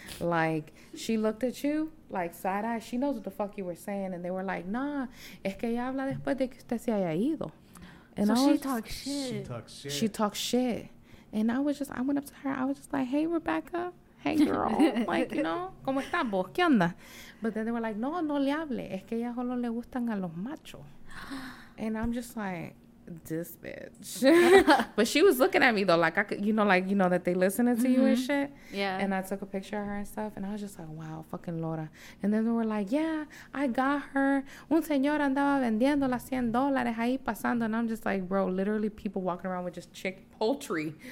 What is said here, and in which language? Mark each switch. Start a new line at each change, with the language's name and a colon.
English: Like, she looked at you, like, side eye. She knows what the fuck you were saying, and they were like, nah,
Spanish: es que ella habla después de que usted se haya ido.
English: And so I she talks shit. She talks shit. She talks shit. And I was just, I went up to her. I was just like, hey, Rebecca. Hey, girl. Like, you know,
Spanish: ¿cómo estás vos? ¿Qué onda?
English: But then they were like,
Spanish: no, no le hable. Es que ella solo le gustan a los machos.
English: And I'm just like, this bitch. But she was looking at me, though. Like, I could, like, you know, that they listening to you and shit. Yeah. And I took a picture of her and stuff. And I was just like, wow, fucking Laura. And then they were like, yeah, I got her.
Spanish: Un señor andaba vendiendo las $100 ahí pasando.
English: And I'm just like, bro, literally people walking around with just poultry.